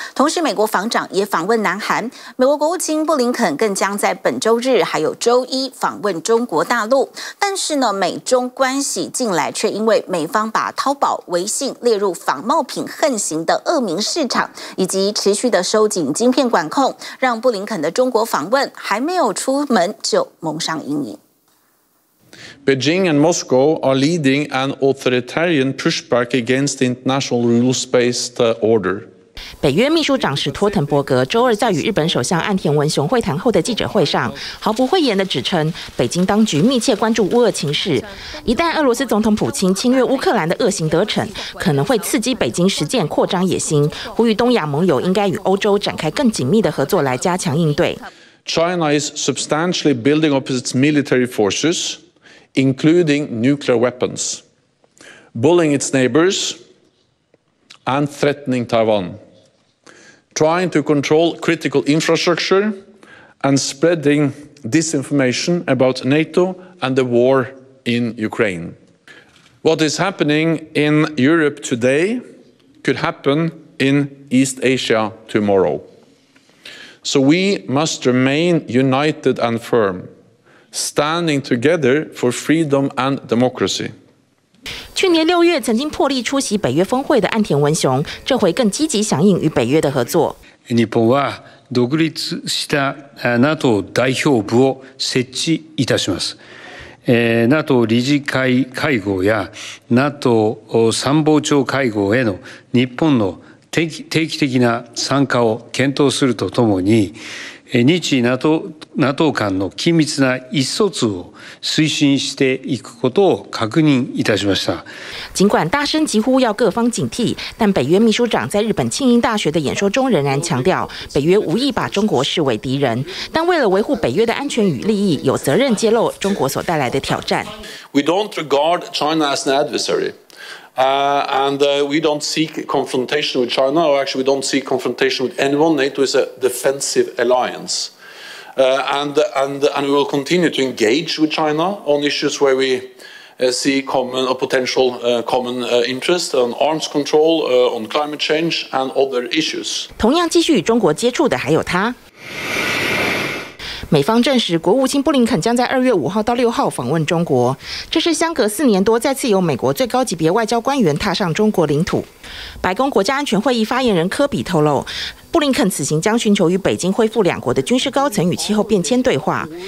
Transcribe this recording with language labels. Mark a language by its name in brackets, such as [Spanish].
[Chinese] 同时，美国防长也访问南韩，美国国务卿布林肯更将在本周日还有周一访问中国大陆。但是呢，美中关系近来却因为美方把淘宝、微信列入仿冒品横行的恶名市场，以及持续的收紧晶片管控，让布林肯的中国访问还没有出门就蒙上阴影。 [English] Beijing and Moscow are leading an authoritarian pushback against the international rules-based order. [Chinese] 北约秘书长史托滕伯格周二在与日本首相岸田文雄会谈后的记者会上，毫不讳言地指称，北京当局密切关注乌俄情势，一旦俄罗斯总统普京侵略乌克兰的恶行得逞，可能会刺激北京实践扩张野心，呼吁东亚盟友应该与欧洲展开更紧密的合作来加强应对。 [English] China is substantially building up its military forces, including nuclear weapons, bullying its neighborsand threatening Taiwan, trying to control critical infrastructure and spreading disinformation about NATO and the war in Ukraine. What is happening in Europe today could happen in East Asia tomorrow. So we must remain united and firm, standing together for freedom and democracy. [Chinese] 去年六月曾经破例出席北约峰会的岸田文雄，这回更积极响应与北约的合作。 [Japanese] 日本は独立した NATO 代表部を設置いたします。 NATO 理事会会合や NATO 参謀長会合への日本の定期的な参加を検討するとともに、日 NATO 間の緊密な意思疎通を推進していくことを確認いたしました。 [Chinese] 尽管大声疾呼要各方警惕，但北约秘书长在日本庆应大学的演说中仍然强调，北约无意把中国视为敌人，但为了维护北约的安全与利益，有责任揭露中国所带来的挑战。 [English] We don't regard China as an adversary. We don't seek confrontation with China, or actually we don't seek confrontation with anyone. NATO is a defensive alliance. And we will continue to engage with China on issues where we see common or potential common interest on arms control, on climate change and other issues. [Chinese] 同样继续与中国接触的还有他。美方证实，国务卿布林肯将在2月5号到6号访问中国，这是相隔四年多再次由美国最高级别外交官员踏上中国领土。白宫国家安全会议发言人科比透露，布林肯此行将寻求与北京恢复两国的军事高层与气候变迁对话。